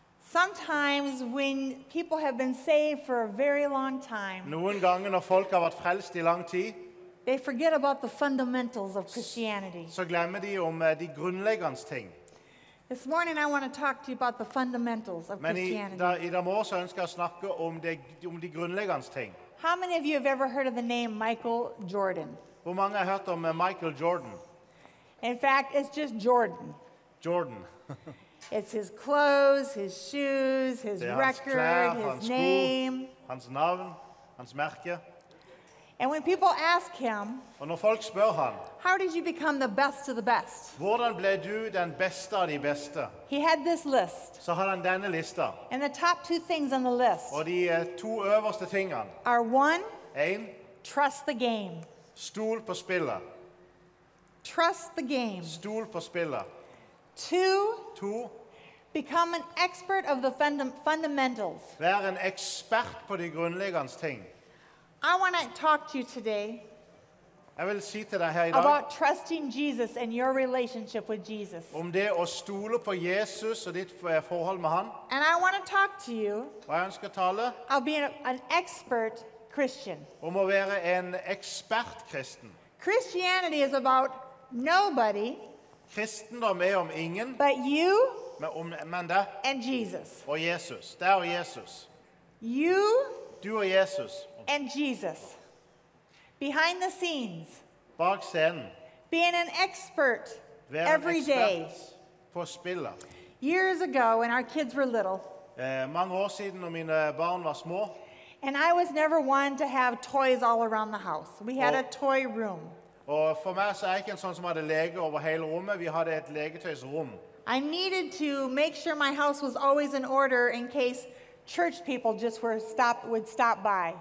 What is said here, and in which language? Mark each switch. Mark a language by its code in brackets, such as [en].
[en] Sometimes when people have been saved for a very long time. [no] Noen ganger når folk har vært frelst I lang tid. [en] They forget about the fundamentals of Christianity. [no] Så glemmer de om de grunnleggende ting. [en] This morning I want to talk to you about the fundamentals of Christianity. [no] Men I dag morgen ønsker jeg å snakke om de grunnleggende ting. [en] How many of you have ever heard of the name Michael Jordan? [no] Hvor mange har hørt om Michael Jordan? [en] In fact, it's just Jordan. Jordan. It's his clothes, his shoes, his record, [no] hans [en] name. [no] Hans navn, hans merke. [en] And when people ask him, [no] og når folk spør han, [en] how did you become the best of the best? [no] Hvordan ble du den beste av de beste? [en] He had this list. [no] Så har han denne lista. [en] And the top two things on the list, [no] og de to øverste tingene, [en] are one, [no] en, [en] trust the game. [no] Stol på spillet. [en] Trust the game. [no] Stol på spillet. [en] Two, become an expert of the fundamentals. [no] Vær en ekspert på de grunnleggende ting. [en] I want to talk to you today about trusting Jesus and your relationship with Jesus. [no] Om det å stole på Jesus og ditt forhold med han. [en] And I want to talk to you. [no] Hva jeg ønsker å tale? [en] I'll be an expert Christian. [no] Om å være en ekspert kristen. [en] Christianity is about nobody. [no] Kristendom om ingen. [en] But you. [no] Men deg. [en] And Jesus. [no] Og Jesus. Deg og Jesus. [en] You. [no] Du og Jesus. [en] And Jesus. Behind the scenes. [no] Bak scenen. [en] Being an expert every day. [no] På spillet. [en] Years ago when our kids were little. [no] Mange år siden når mine barn var små. [en] And I was never one to have toys all around the house. We had a toy room. [no] Og for meg så ikke en sånn som hadde lege over hele rommet. Vi hadde et legetøysrom. [en] I needed to make sure my house was always in order in case church people just would stop by.